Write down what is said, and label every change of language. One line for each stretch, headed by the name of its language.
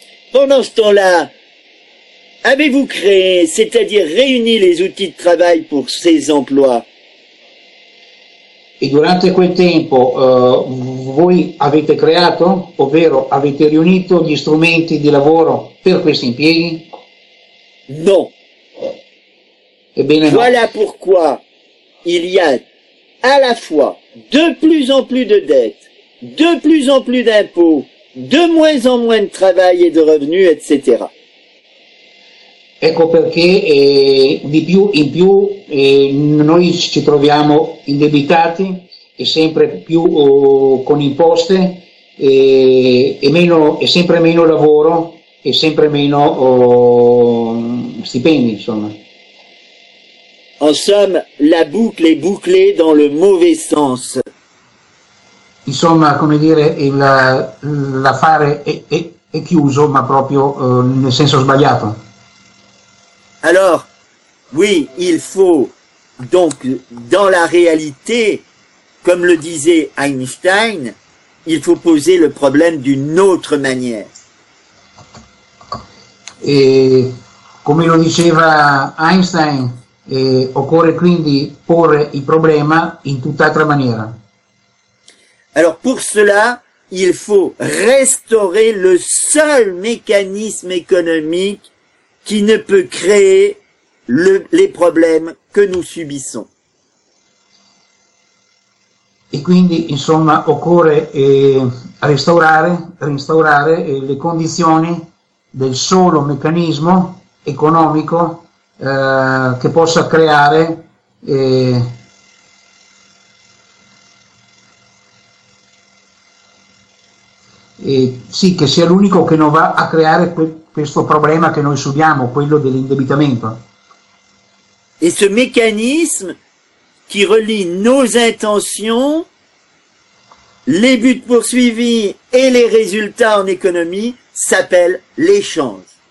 French: Pendant ce temps-là, avez-vous créé, c'est-à-dire réuni les outils de travail pour ces emplois?
Italian: E durante quel tempo voi avete creato, ovvero avete riunito gli strumenti di lavoro per questi impieghi?
French: Non.
Italian: Ebbene no.
French: Voilà pourquoi il y a à la fois de plus en plus de dettes, de plus en plus d'impôts, de moins en moins de travail et de revenus, etc.
Italian: Ecco perché di più in più noi ci troviamo indebitati e sempre più con imposte e sempre meno lavoro e sempre meno stipendi, insomma.
French: En somme, la boucle est bouclée dans le mauvais sens.
Italian: Insomma, come dire, l'affare è chiuso, ma proprio nel senso sbagliato.
French: Alors, oui, il faut, donc, dans la réalité, comme le disait Einstein, il faut poser le problème d'une autre manière. Et, comme
Italian: lo diceva Einstein, occorre quindi porre il problema in tutt'altra maniera.
French: Alors, pour cela, il faut restaurer le seul mécanisme économique qui ne peut créer les problèmes que nous subissons. Et
Italian: quindi, insomma, occorre restaurare le condizioni del solo meccanismo economico che possa creare sì, che sia l'unico che non va a creare questo problema che noi subiamo, quello dell'indebitamento.
French: E ce
Italian: meccanismo che
French: relie nos intentions, les buts poursuivis et les résultats en économie s'appelle l'échange.